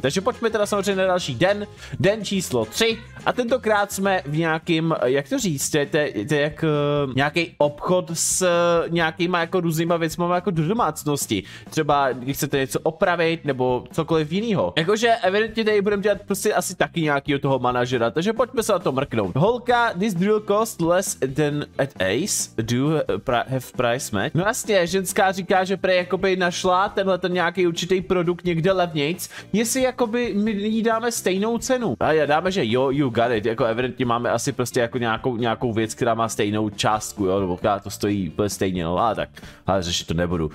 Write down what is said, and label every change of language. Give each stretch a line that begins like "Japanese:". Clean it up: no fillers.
Czech: Takže pojďme teda samozřejmě na další den, den číslo 3. A tentokrát jsme v nějakým, jak to říct, nějaký obchod s nějakýma jako různýma věcma jako do domácnosti. Třeba když chcete něco opravit nebo cokoliv jiného. Jakože evidentně tady budeme dělat prostě asi taky nějakýho toho manažera, takže pojďme se na to mrknout. Holka,
English: this drill cost less than at Ace, do have price match.
Czech: No jasně, ženská říká, že prej jakoby našla tenhle ten nějaký určitý produkt někde levnějc, jestli jakoby my jí dáme stejnou cenu. A já dáme, že jo,
English: you got it,
Czech: jako evidentně máme asi prostě jako nějakou věc, která má stejnou částku, jo, nebo která to stojí úplně stejně, no a tak, ale řešit to nebudu.